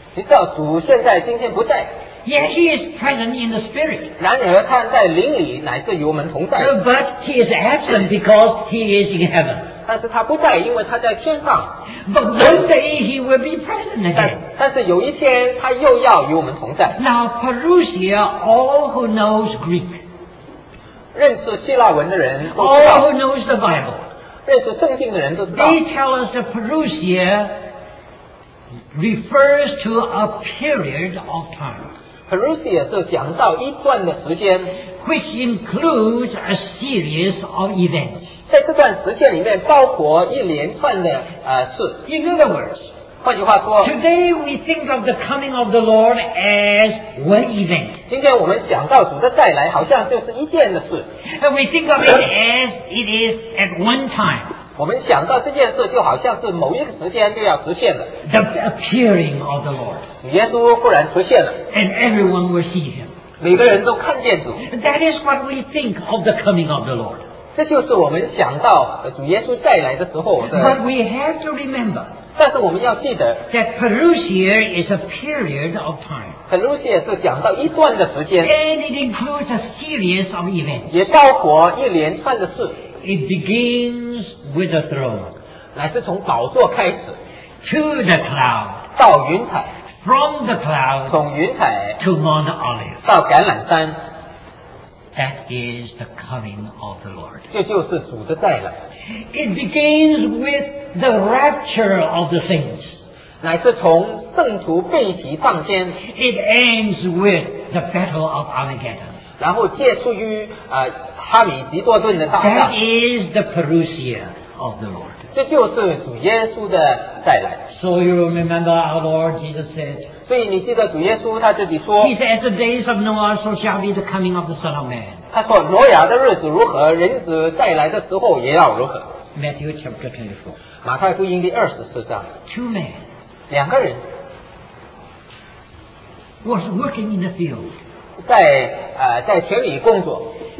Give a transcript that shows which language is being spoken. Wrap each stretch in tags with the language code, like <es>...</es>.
<zh>你知道主现在今天不在。</zh> <en>Yet he is present in the spirit。</en> <zh>然而他在灵里乃是与我们同在。</zh> <en>But he is absent because he is in heaven。</en> <zh>但是他不在，因为他在天上。</zh> <en>But one day he will be present again.</en> <zh>但是有一天他又要与我们同在。</zh> <en>Now parousia, all who knows Greek,</en> <zh>认识希腊文的人</zh> <en>，all who knows the Bible,</en> <zh>认识圣经的人都知道。</zh> <en>They tell us that parousia refers to a period of time.</en> <zh>Parousia 是讲到一段的时间</zh> <en>，which includes a series of events.</en> <zh>在这段时间里面包括一连串的事。</zh> <en>In other words,</en> <zh>换句话说</zh> <en>，Today we think of the coming of the Lord as one event.</en> <zh>今天我们讲到主的再来，好像就是一件的事。</zh> <en>And we think of it as it is at one time.</en> <zh>我们想到这件事，就好像是某一个时间就要实现的。</zh> <en>The appearing of the Lord.</en> <zh>耶稣忽然出现了。</zh> <en>And everyone will see him.</en> <zh>每个人都看见主。</zh> <en>That is what we think of the coming of the Lord.</en> <zh>这就是我们想到主耶稣再来的时候的。</zh> <en>But we have to remember，</en> <zh>但是我们要记得</zh> <en>，that parousia is a period of time。</en> <zh>Parousia 是讲到一段的时间。</zh> <en>And it includes a series of events。</en> <zh>也包括一连串的事。</zh> <en>It begins with the throne，</en> <zh>乃是从宝座开始。</zh> <en>To the cloud，</en> <zh>到云彩。</zh> <en>From the cloud，</en> <zh>从云彩。</zh> <en>To Mount Olive，</en> <zh>到橄榄山。</zh> <en>That is the coming of the Lord.</en> <zh>这就是主的再来。</zh> <en>It begins with the rapture of the saints.</en> <zh>乃是从圣徒被提上天。</zh> <en>It ends with the battle of Armageddon.</en> <zh>然后结束于哈米吉多顿的大战。</zh> <en>That is the parousia of the Lord.</en> <zh>这就是主耶稣的再来。</zh> <en>So you remember our Lord Jesus said.</en> <zh>所以你记得主耶稣他自己说</zh> <en>He said, As the days of Noah, so shall be the coming of the Son of Man.</en> <zh>他说挪亚的日子如何人子再来的时候也要如何</zh> <en>Matthew chapter 24</en> <zh>马太福音第二十四章</zh> <en>Two men</en> <zh>两个人</zh> <en>was working in the field</en> <zh>在田里工作</zh>